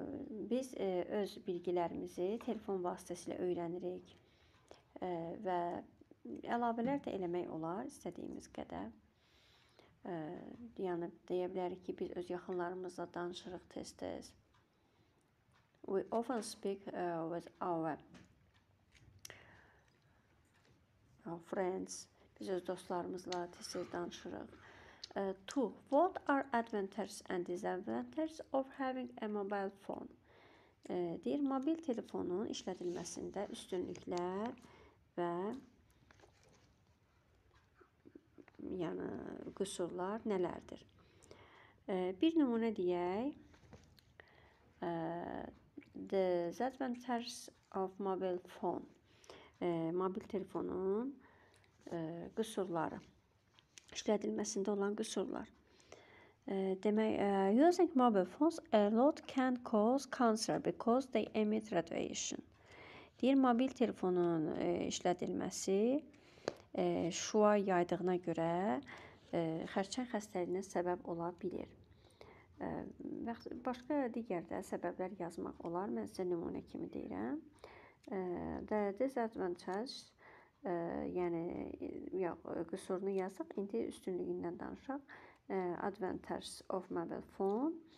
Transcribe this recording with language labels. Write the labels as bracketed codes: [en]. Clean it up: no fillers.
[az] Biz öz bilgilərimizi telefon vasitəsilə öyrənirik və əlavələr də eləmək olar istədiyimiz qədər. Yəni, deyə bilərik ki, biz öz yaxınlarımızla danışırıq tez-tez. [en] We often speak with our friends. [az] Biz öz dostlarımızla tez-tez danışırıq. 2. [en] What are advantages and disadvantages of having a mobile phone? [az] Deyir, mobil telefonun işlədilməsində üstünlüklər və yəni qüsurlar nələrdir? Bir nümunə deyək. [en] The disadvantages of mobile phone. [az] Mobil telefonun qüsurları. İşlədilməsində olan qüsurlar. Demək, [en] using mobile phones a lot can cause cancer because they emit radiation. [az] Deyir, mobil telefonun işlədilməsi şua yaydığına görə xərçəng xəstəliyinə səbəb ola bilir. Başqa digər də səbəblər yazmaq olar. Mən sizə nümunə kimi deyirəm. [en] The disadvantage. [az] Yəni, qüsurunu yazıq, indi üstünlüyündən danışaq. [en] Advantages of mobile phone.